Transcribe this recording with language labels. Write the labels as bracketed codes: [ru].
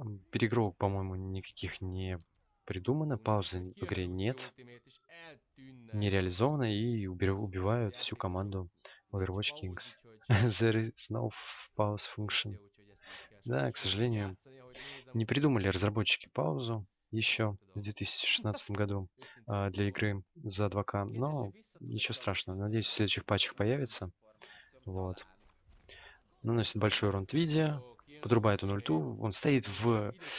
[ru] Перегрок, по-моему, никаких не придумано. Паузы в игре нет. Не реализовано, и убивают всю команду Overwatch Kings. [en] There is no pause function. [ru] Да, к сожалению, не придумали разработчики паузу. Еще в 2016 году для игры за 2К, но ничего страшного, надеюсь, в следующих патчах появится. Вот. Наносит большой урон Твиди, подрубает он ульту, он стоит в...